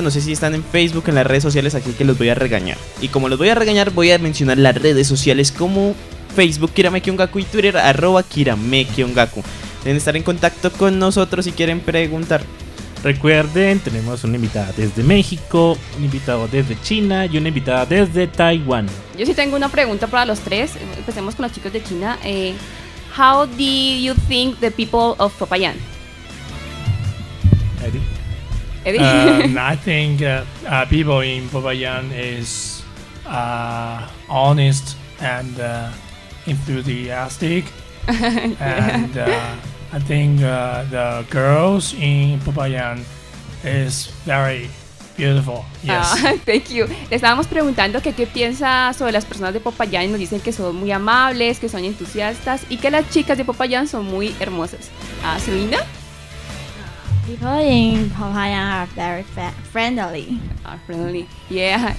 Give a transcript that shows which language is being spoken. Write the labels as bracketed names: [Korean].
[Spanish] No sé si están en Facebook, en las redes sociales, así que los voy a regañar. Y como los voy a regañar, voy a mencionar las redes sociales como Facebook Kirameki Ongaku y Twitter @ Kirameki Ongaku. Deben estar en contacto con nosotros si quieren preguntar. Recuerden, tenemos una invitada desde México, un invitado desde China y una invitada desde Taiwán. Yo sí tengo una pregunta para los tres. Empecemos con los chicos de China. [English] How do you think the people of Popayán? Eddie? I think people in Popayán is honest and enthusiastic. And I think the girls in Popayán is very beautiful. Yes. Thank you. [Spanish] Le estábamos preguntando que qué piensa sobre las personas de Popayán y nos dicen que son muy amables, que son entusiastas y que las chicas de Popayán son muy hermosas. Selena? [English] People in Popayán are very friendly. Are friendly. Yeah.